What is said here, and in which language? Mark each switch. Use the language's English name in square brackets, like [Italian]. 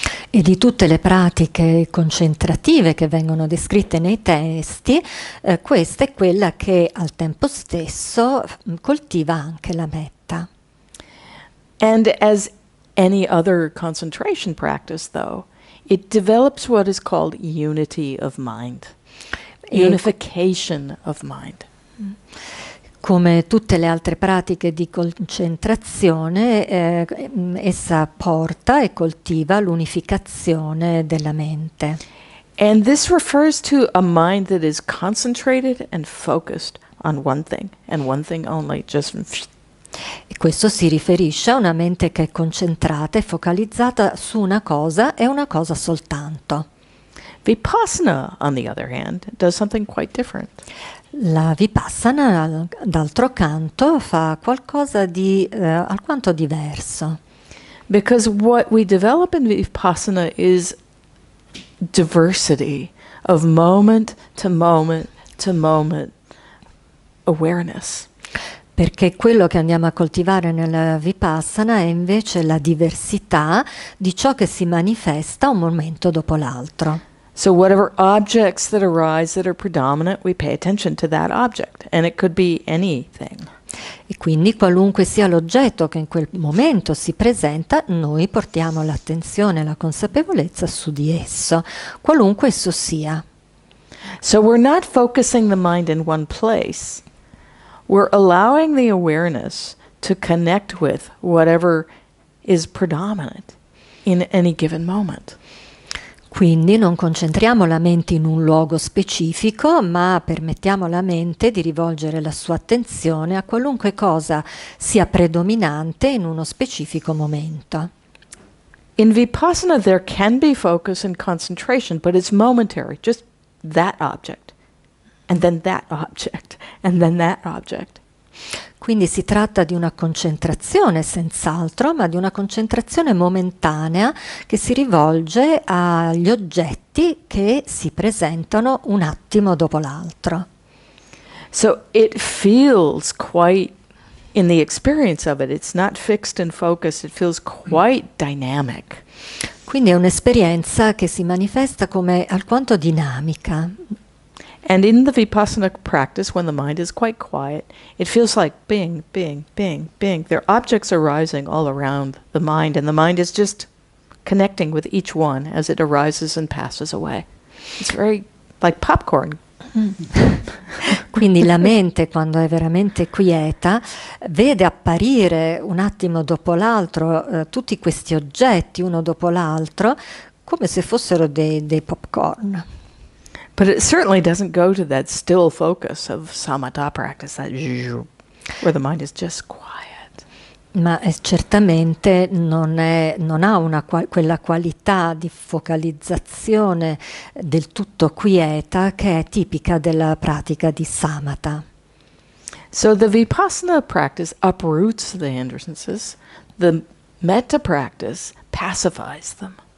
[Italian] E di tutte le pratiche concentrative che vengono descritte nei testi, questa è quella che al tempo stesso coltiva anche la metta. [English] And as any other concentration practice, though, it develops what is called unity of mind. Unification of mind. [Italian] Come tutte le altre pratiche di concentrazione, essa porta e coltiva l'unificazione della mente. [English] And this refers to a mind that is concentrated and focused on one thing, and one thing only, just. [Italian] E questo si riferisce a una mente che è concentrata e focalizzata su una cosa e una cosa soltanto. [English] Vipassana, on the other hand, does something quite different. [Italian] La vipassana, d'altro canto, fa qualcosa di alquanto diverso. [English] Because what we develop in vipassana is diversity of moment to moment to moment awareness. [Italian] Perché quello che andiamo a coltivare nella vipassana è invece la diversità di ciò che si manifesta un momento dopo l'altro. [English] So whatever objects that arise that are predominant, we pay attention to that object, and it could be anything. [Italian] E quindi qualunque sia l'oggetto che in quel momento si presenta, noi portiamo l'attenzione e la consapevolezza su di esso, qualunque esso sia. [English] So we're not focusing the mind in one place. We're allowing the awareness to connect with whatever is predominant in any given moment. [Italian] Quindi non concentriamo la mente in un luogo specifico, ma permettiamo alla mente di rivolgere la sua attenzione a qualunque cosa sia predominante in uno specifico momento. [English] In Vipassana there can be focus and concentration, but it's momentary, just that object, and then that object, and then that object. [Italian] Quindi si tratta di una concentrazione, senz'altro, ma di una concentrazione momentanea che si rivolge agli oggetti che si presentano un attimo dopo l'altro. [English] So it feels quite, in the experience of it, it's not fixed and focused, it feels quite dynamic. [Italian] Quindi è un'esperienza che si manifesta come alquanto dinamica. [English] And in the Vipassana practice, when the mind is quite quiet, it feels like bing, bing, bing, bing. There are objects arising all around the mind, and the mind is just connecting with each one as it arises and passes away. It's very like popcorn. [Italian] Quindi la mente, quando è veramente quieta, vede apparire un attimo dopo l'altro tutti questi oggetti, uno dopo l'altro, come se fossero dei popcorn. [English] But it certainly doesn't go to that still focus of samatha practice, that where the mind is just quiet. [Italian] Ma certamente non ha quella qualità di focalizzazione del tutto quieta che è tipica della pratica di samatha. [English] So the vipassana practice uproots the hindrances, the metta practice pacifies them.